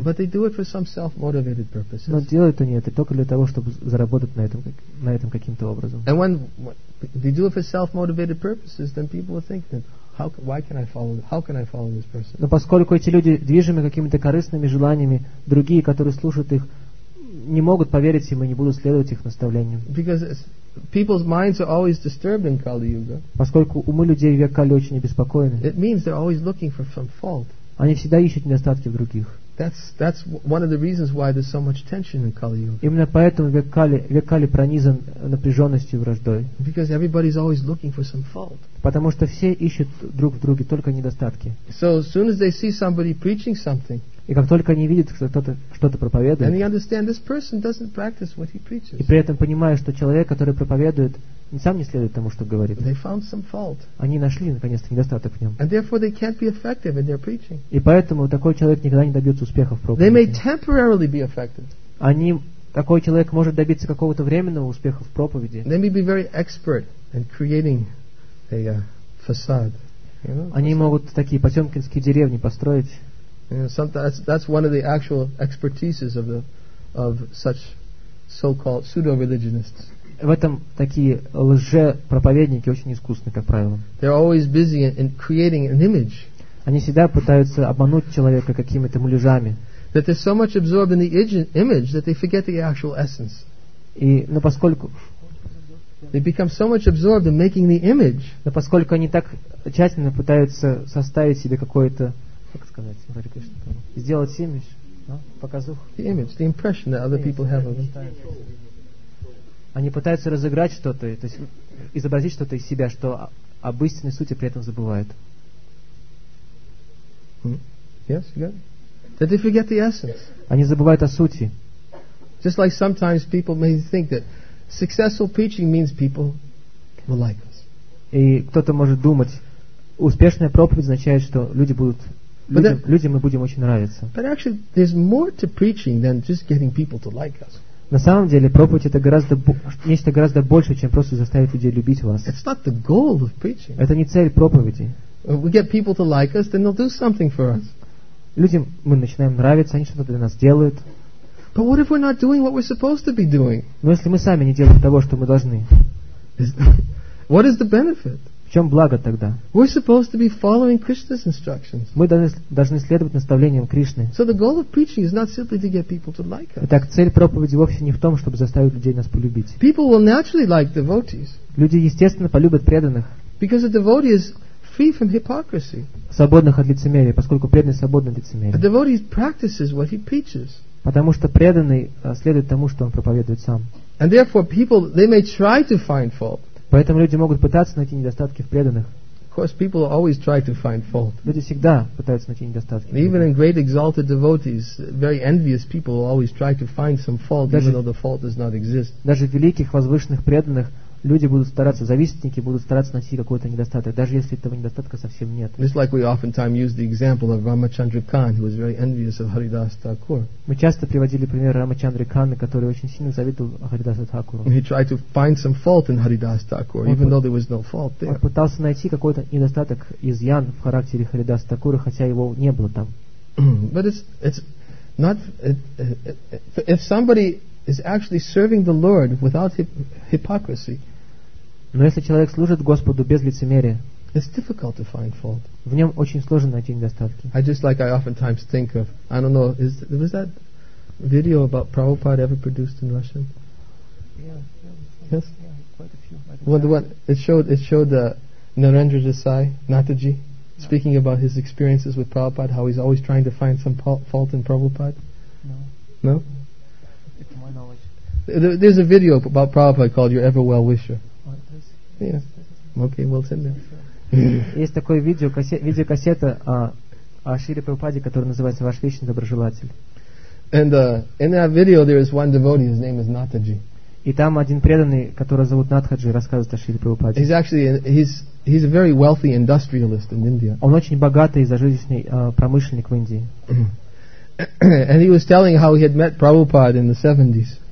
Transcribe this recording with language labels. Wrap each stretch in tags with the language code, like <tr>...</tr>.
<en>But they do it for some self-motivated purposes.</en> <ru>Но делают они это только для того, чтобы заработать на этом каким-то образом.</ru> <en>And when they do it for self-motivated purposes, then people will think that how can I follow this person?</en> <ru>Но поскольку эти люди движимы какими-то корыстными желаниями, другие, которые слушают их, не могут поверить им и не будут следовать их наставлениям.</ru> <en>Because people's minds are always disturbed in Kali Yuga.</en> <ru>Поскольку умы людей в век Кали очень обеспокоены.</ru> <en>It means they're always looking for some fault.</en> <ru>Они всегда ищут недостатки в других.</ru> <en>That's one of the reasons why there's so much tension in Kali Yuga.</en> <ru>Именно поэтому век Кали пронизан напряженностью и враждой.</ru> <en>Because everybody's always looking for some fault.</en> <ru>Потому что все ищут друг в друге только недостатки.</ru> <en>So as soon as they see somebody preaching something.</en> <ru>И как только они видят, что кто-то что-то проповедует,</ru> <en>and they understand this person doesn't practice what he preaches.</en> <ru>И при этом понимают, что человек, который проповедует, сам не следует тому, что говорит.</ru> <en>They found some fault.</en> <ru>Они нашли, наконец-то, недостаток в нем.</ru> <en>And therefore they can't be effective in their preaching.</en> <ru>И поэтому такой человек никогда не добьется успеха в проповеди.</ru> <en>They may temporarily be effective.</en> <ru>Они, такой человек может добиться какого-то временного успеха в проповеди.</ru> <en>They may be very expert in creating a facade.</en> <ru>Они могут такие потемкинские деревни построить.</ru> <en>You know, sometimes that's one of the actual expertises of the of such so-called pseudo-religionists.</en> <ru>В этом такие лже-проповедники очень искусны, как правило.</ru> <en>They're always busy in creating an image.</en> <ru>Они всегда пытаются обмануть человека какими-то муляжами.</ru> <en>That they're so much absorbed in the image that they forget the actual essence.</en> <ru>И но поскольку</ru> <en>they become so much absorbed in making the image.</en> <ru>Но поскольку они так тщательно пытаются составить себе какое-то, как сказать, сделать имидж, показух.</ru> <en>The image, the impression that other people have of them.</en> <ru>Они пытаются разыграть что-то, то есть изобразить что-то из себя, что об истинной сути при этом забывают.</ru> <en>Yes, you got it. That they forget the essence.</en> <ru>Они забывают о сути.</ru> <en>Just like sometimes people may think that successful preaching means people will like us.</en> <ru>И кто-то может думать, успешная проповедь означает, что люди будут людям мы будем очень нравиться.</ru> <en>But actually, there's more to preaching than just getting people to like us.</en> <ru>На самом деле, проповедь — это нечто гораздо большее, чем просто заставить людей любить вас.</ru> <en>It's not the goal of preaching.</en> <ru>Это не цель проповеди.</ru> <en>We get people to like us, then they'll do something for us.</en> <ru>Людям мы начинаем нравиться, они что-то для нас делают.</ru> <en>But what if we're not doing what we're supposed to be doing?</en> <ru>Но если мы сами не делаем того, что мы должны.</ru> <en>What is the benefit?</en> <ru>В чем благо тогда?</ru> <en>We're supposed to be following Krishna's instructions.</en> <ru>Мы должны следовать наставлениям Кришны.</ru> <en>So the goal of preaching is not simply to get people to like us.</en> <ru>Итак, цель проповеди вовсе не в том, чтобы заставить людей нас полюбить.</ru> <en>People will naturally like devotees.</en> <ru>Люди естественно полюбят преданных.</ru> <en>Because a devotee is free from hypocrisy.</en> <ru>Свободных от лицемерия, поскольку преданный свободен от лицемерия.</ru> <en>A devotee practices what he preaches.</en> <ru>Потому что преданный следует тому, что он проповедует сам.</ru> <en>And therefore people they may try to find fault.</en> <ru>Поэтому люди могут пытаться найти недостатки в преданных.</ru> <en>Of course, people always try to find fault.</en> <ru>Люди всегда пытаются найти недостатки.</ru> <en>Even in great exalted devotees, very envious people always try to find some fault, even though the fault does not exist.</en> <ru>Даже в великих возвышенных преданных люди будут стараться, завистники будут стараться найти какой-то недостаток, даже если этого недостатка совсем нет.</ru> <en>Just like we oftentimes use the example of Ramachandra Khan, who was very envious of Haridas Thakur.</en> <ru>Мы часто приводили пример Рамачандры Канны, который очень сильно завидовал Харидасу Такуру.</ru> <en>He tried to find some fault in Haridas Thakur, even though there was no fault there.</en> <ru>Он пытался найти какой-то недостаток, изъян в характере Харидаса Такура, хотя его не было там.</ru> <en>But it's not if somebody is actually serving the Lord without hypocrisy.</en> <ru>Но если человек служит Господу без лицемерия,</ru> <en>it's difficult to find fault.</en> <ru>В нем очень сложно найти недостатки.</ru> <en>I just like I oftentimes think of, I don't know, is was that video about Prabhupada ever produced in Russian? Yes. Yeah, quite a few. Well, the one it showed the Narendra Desai Nataji speaking about his experiences with Prabhupada, how he's always trying to find some fault in Prabhupada. No. It's my knowledge. There's a video about Prabhupada called "Your Ever Well Wisher." Yeah. Okay, we'll send it.</en> <ru>Есть такое видео, видеокассета о Шри Прабхупаде, которое называется "Ваш личный доброжелатель".</ru> <en>And in that video, there is one devotee. His name is Nataji.</en> <ru>И там один преданный, которого зовут Натхаджи, рассказывает о Шри Прабхупаде.</ru> <en>He's a very wealthy industrialist in India.</en> <ru>Он очень богатый и зажиточный промышленник в Индии.</ru> <en>And he was telling how he had met Prabhupada in the 70s.</en>